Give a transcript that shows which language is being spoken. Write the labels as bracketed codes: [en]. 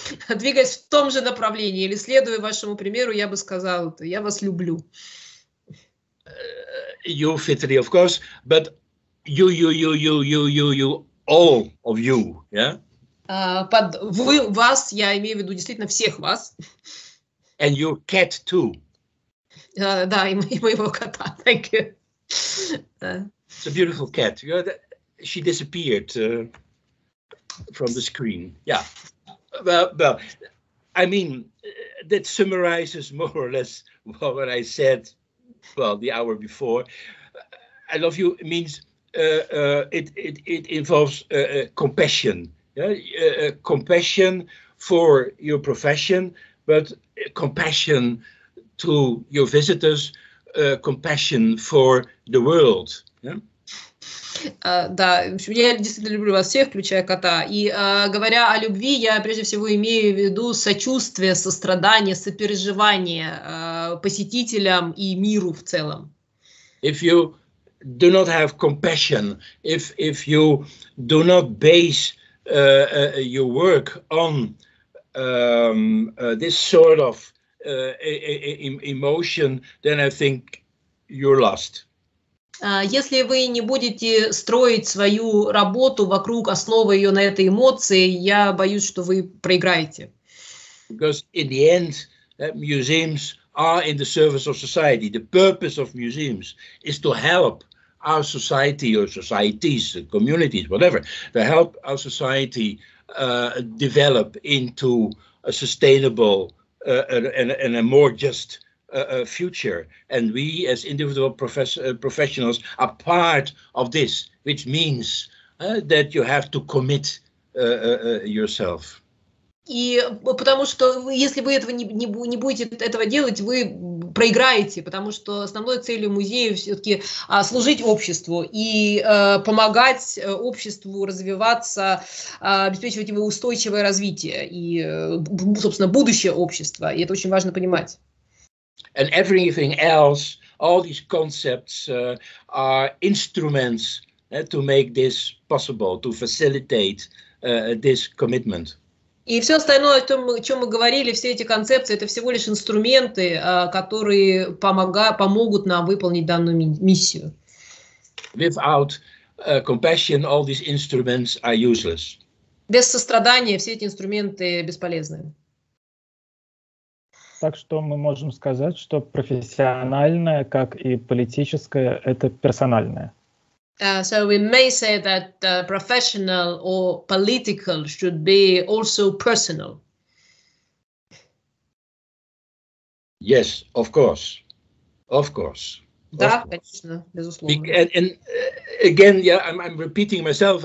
[ru] Двигаясь в том же направлении или следуя вашему примеру, я бы сказал, я вас люблю. [en] You, Fitri, of course, but you, all of you, yeah? [ru] Под вы, вас, я имею в виду действительно всех вас. [en] And your cat too. [ru] Да, и моего кота, [en] thank you. It's a beautiful cat. You know, she disappeared from the screen, yeah. Well, I mean, that summarizes more or less what I said, well, the hour before. I love you means it involves compassion, yeah? Compassion for your profession, but compassion to your visitors, compassion for the world, yeah? [ru] Да, в общем, я действительно люблю вас всех, включая кота. И говоря о любви, я прежде всего имею в виду сочувствие, сострадание, сопереживание посетителям и миру в целом. [en] If you do not have compassion, if you do not base your work on this sort of emotion, then I think you're lost. [ru] Если вы не будете строить свою работу вокруг основы ее на этой эмоции, я боюсь, что вы проиграете. [en] Because in the end, museums are in the service of society. The purpose of museums is to help our society or societies, communities, whatever, to help our society develop into a sustainable and a more just future. And we as individual professionals are part of this, which means that you have to commit yourself. [ru] И потому что если вы этого не будете этого делать, вы проиграете, потому что основной целью музея все-таки служить обществу и помогать обществу развиваться, обеспечивать ему устойчивое развитие и, собственно, будущее общества. И это очень важно понимать. [en] And everything else, all these concepts are instruments to make this possible, to facilitate this commitment. [ru] И все остальное, о чем мы говорили, все эти концепции, это всего лишь инструменты, которые помогут нам выполнить данную миссию. [en] Without compassion, all these instruments are useless. [ru] Без сострадания все эти инструменты бесполезны. Так что мы можем сказать, что профессиональное, как и политическое, это персональное. [en] So we may say that professional or political should be also personal. Yes, of course. Of course. [ru] Да, конечно, безусловно. [en] And again, yeah, I'm repeating myself.